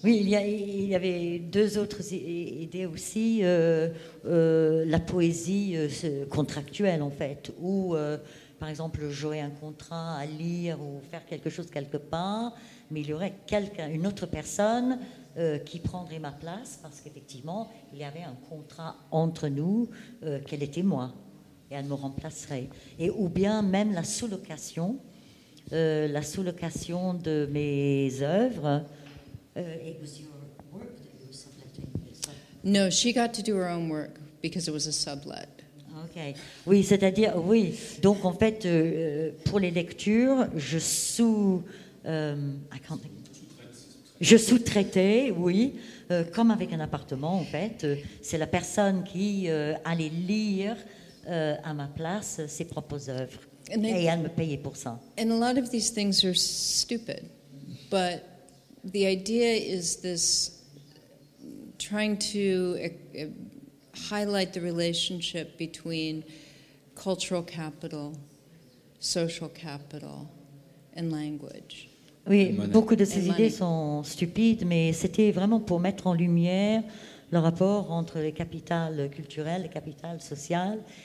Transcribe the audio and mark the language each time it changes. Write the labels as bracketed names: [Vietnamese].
[French] Oui, il y avait deux autres idées aussi, la poésie contractuelle en fait, où par exemple j'aurais un contrat à lire ou faire quelque chose quelque part, mais il y aurait une autre personne qui prendrait ma place, parce qu'effectivement il y avait un contrat entre nous, qu'elle était moi. Et elle me remplacerait. Et ou bien même la sous-location de mes œuvres. [English] It was your work that you were subletting? No, she got to do her own work because it was a sublet. [French] Okay. Oui, c'est-à-dire, oui. Donc en fait, pour les lectures, je sous-traitais, oui, comme avec un appartement en fait. C'est la personne qui allait lire à ma place ses propres œuvres, et elle me payait pour ça. [English] And a lot of these things are stupid, but the idea is this: trying to highlight the relationship between cultural capital, social capital, and language. [French] Oui, beaucoup de ces idées sont stupides, mais c'était vraiment pour mettre en lumière le rapport entre les capitales culturelles, les capitales sociales.